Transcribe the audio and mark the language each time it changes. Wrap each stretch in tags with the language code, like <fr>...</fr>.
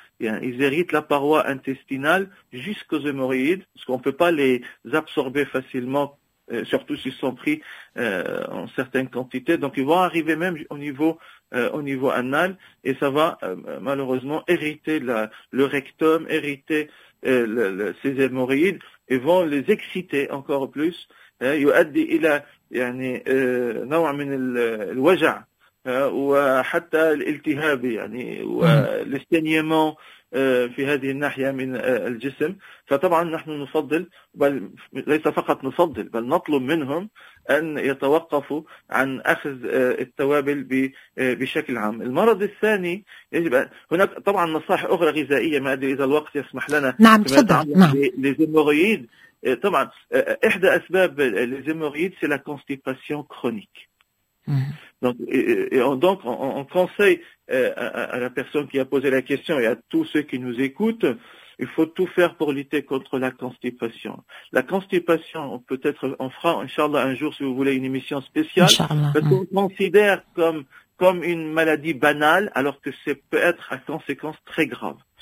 <fr>Ils irritent la paroi intestinale jusqu'aux hémorroïdes, parce qu'on peut pas les absorber facilement, surtout s'ils sont pris en certaines quantités. Donc, ils vont arriver même au niveau anal, et ça va malheureusement irriter le rectum, irriter ces hémorroïdes, et vont les exciter encore plus.</fr> <ar>يعني نوع من الوجع وحتى الالتهاب يعني والاستنيمون في هذه الناحية من الجسم. فطبعا نحن نفضل، بل ليس فقط نفضل بل نطلب منهم أن يتوقفوا عن أخذ التوابل بشكل عام. المرض الثاني يجب، هناك طبعا نصائح أخرى غذائية، ما أدري إذا الوقت يسمح لنا. نعم تفضل. للهيموريد طبعا احدى اسباب الهيموريد</ar> <fr>سي لا كونستيباسيون كرونيك. Donc on conseille à la personne qui a posé la question et à tous ceux qui nous écoutent, il faut tout faire pour lutter contre la constipation. La constipation, peut-être on fera inchallah un jour si vous voulez une émission spéciale, parce qu'on considère comme une maladie banale alors que c'est peut être à conséquence très grave.</fr>